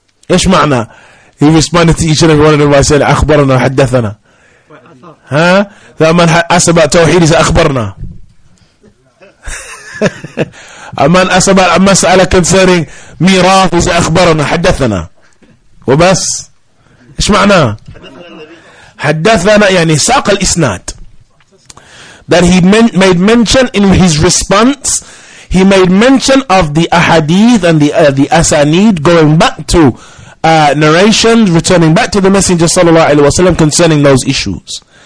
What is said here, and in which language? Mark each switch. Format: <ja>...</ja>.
<ar>إيش معنى؟</ar> <en>He responded to each and every one of them by saying,</en> <ar>أخبرنا حدثنا.</ar> <en>A man asked about Tawheed, he said,</en> <ar>أخبرنا.</ar> <en>A man asked about a mas'ala concerning Miraf, he said,</en> <ar>أخبرنا حدثنا. وبس. إيش معنى؟ حدثنا يعني ساق الإسناد.</ar> <en>That he made mention in his response, he made mention of the ahadith and the asanid going back to narrations returning back to the Messenger sallallahu alaihi wasallam concerning those issues.</en>